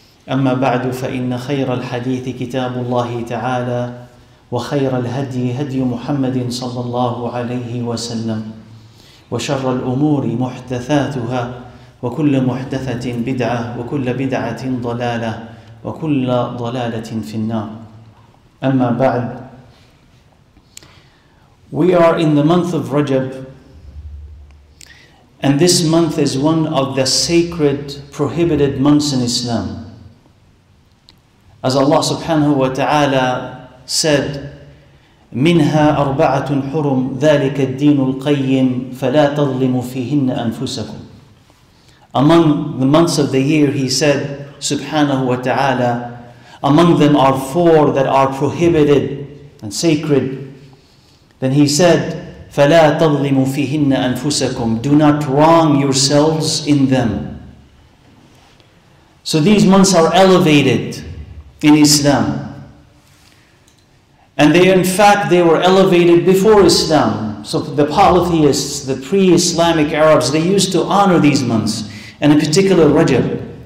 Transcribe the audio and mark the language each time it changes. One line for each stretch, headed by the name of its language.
Arabic: أما بعد، فإن خير الحديث كتاب الله تعالى وخير الهدي هدي محمد صلى الله عليه وسلم، وشر الأمور محدثاتها، وكل محدثة بدعة، وكل بدعة ضلالة، وكل ضلالة في النار. Amma ba'd.
English: We are in the month of Rajab, and this month is one of the sacred prohibited months in Islam. As Allah subhanahu wa ta'ala said,
Arabic: مِنْهَا أَرْبَعَةٌ حُرُمْ ذَلِكَ الدِّينُ الْقَيِّمْ فَلَا تَظْلِمُ فِيهِنَّ أَنفُسَكُمْ.
English: Among the months of the year, he said subhanahu wa ta'ala, among them are four that are prohibited and sacred. Then he said,
Arabic: فَلَا تَظْلِمُ فِيهِنَّ أَنفُسَكُمْ.
English: Do not wrong yourselves in them. So these months are elevated in Islam. And they were elevated before Islam. So the polytheists, the pre-Islamic Arabs, they used to honor these months, and in particular Rajab.